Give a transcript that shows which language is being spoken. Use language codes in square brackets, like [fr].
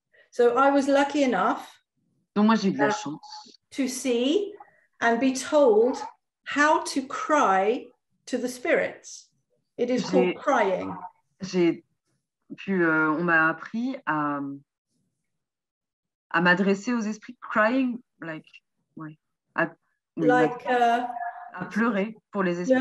[en] So I was lucky enough. [fr] Donc moi j'ai eu de la chance. [en] To see and be told how to cry to the spirits. It is called crying. [fr] On m'a appris à m'adresser aux esprits, crying, like, ouais, à pleurer pour les esprits.